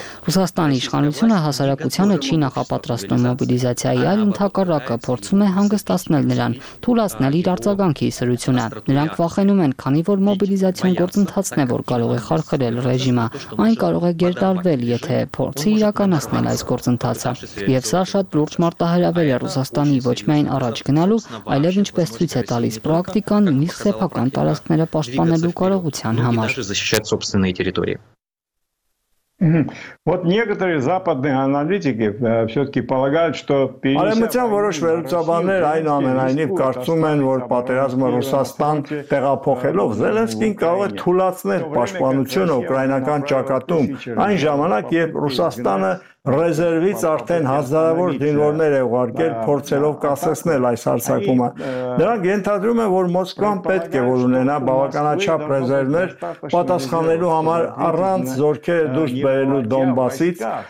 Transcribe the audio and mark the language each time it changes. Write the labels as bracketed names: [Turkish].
[Armenian] Ռուսաստանի իշխանությունը հասարակությանը չի նախապատրաստում մոբիլիզացիայի, այլ ընդհակառակը փորձում է հանգստացնել նրան, թույլատրել իր արձագանքի սրությունը։ Նրանք վախենում են, քանի որ մոբիլիզացիոն գործընթացն է, որ կարող է խարխրել ռեժիմը, այն կարող է գերդարվել, եթե փորձի իրականացնել այս գործընթացը։ Եվ սա շատ լուրջ մարտահրավեր է Ռուսաստանի ոչ միայն առաջ գնալու, այլև ինչպես ցույց է տալիս պրակտիկան, նույնիսկ սեփական տարածքները պաշտպանելու կարողության համար։ [Russian] Вот некоторые западные аналитики всё-таки полагают, что [Armenian] Արեմության որոշ վերլուծաբաններ այն ամենայնիվ կարծում են, որ պատերազմը Ռուսաստան տեղափոխելով Զելենսկին կարող է թույլատրել պաշտպանությունը ուկրաինական ճակատում, այն ժամանակ, երբ Ռուսաստանը ռեզերվից արդեն հազարավոր դինորներ է ուղարկել, փորձելով կասեցնել այս հարձակումը։ Նրանք ենթադրում են, որ Մոսկվան պետք է որ ունենա բավականաչափ ռեզերվներ պատասխանելու համար առանց զորքերը դուրս բերելու Դոնբասից,